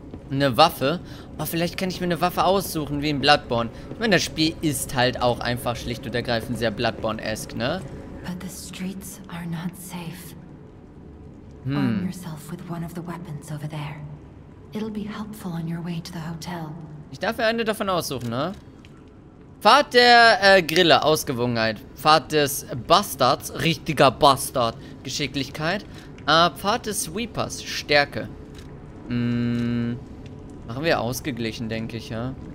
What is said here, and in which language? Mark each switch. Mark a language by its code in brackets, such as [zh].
[de] Eine Waffe? Oh, vielleicht kann ich mir eine Waffe aussuchen, wie in Bloodborne. Ich meine, das Spiel ist halt auch einfach schlicht und ergreifend sehr Bloodborne-esque, ne? [en] But the streets are not safe. Arm yourself with one of the weapons over there. It'll be helpful on your way to the hotel. [de] Ich darf ja eine davon aussuchen, ne? Pfad der Grille, Ausgewogenheit. Pfad des Bastards, richtiger Bastard, Geschicklichkeit. Pfad des Sweepers, Stärke. Machen wir ausgeglichen, denke ich, ja.